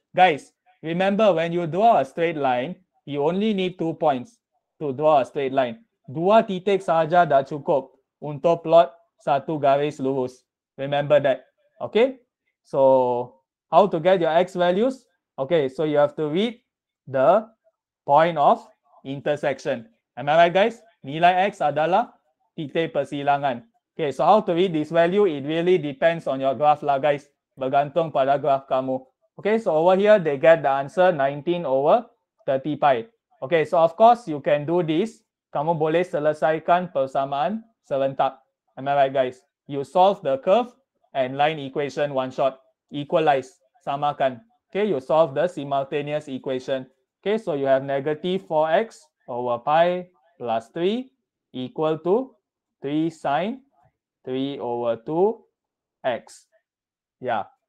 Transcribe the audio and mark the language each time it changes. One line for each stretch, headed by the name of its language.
English: Guys, remember when you draw a straight line, you only need 2 points to draw a straight line.
Malay: 2 titik saja dah cukup untuk plot satu garis lurus.
English: Remember that. Okay? So, how to get your x values? Okay, so you have to read the point of intersection. Am I right, guys?
Malay: Nilai x adalah titik persilangan.
English: Okay, so how to read this value? It really depends on your graph lah, guys.
Malay: Bergantung pada graph kamu.
English: Okay, so over here, they get the answer 19 over 30 pi. Okay, so of course, you can do this.
Malay: Kamu boleh selesaikan persamaan serentak.
English: Am I right, guys? You solve the curve and line equation one shot. Equalize.
Malay: Samakan.
English: Okay, you solve the simultaneous equation. Okay, so you have negative 4x over pi plus 3 equal to 3 sine 3 over 2x. Yeah.